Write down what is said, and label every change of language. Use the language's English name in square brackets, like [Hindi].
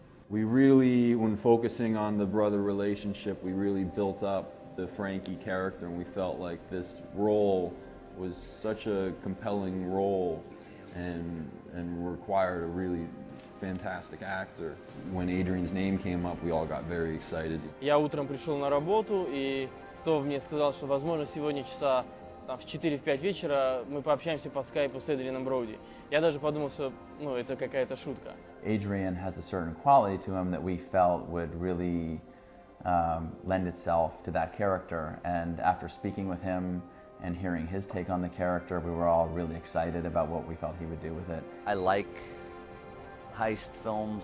[English] We really, when focusing on the brother relationship, we really built up the Frankie character, and we felt like this role was such a compelling role and required a really fantastic actor. When Adrian's name came up, we all got very excited. [Russian] Я утром пришел на работу, и Тов мне сказал, что возможно сегодня часа там, в 4-5 вечера мы пообщаемся по скайпу с Эдрианом Броуди. Я даже подумал, что ну, это какая-то шутка. [English] Adrian has a certain quality to him that we felt would really lend itself to that character. And after speaking with him and hearing his take on the character, we were all really excited about what we felt he would do with it. I like heist films.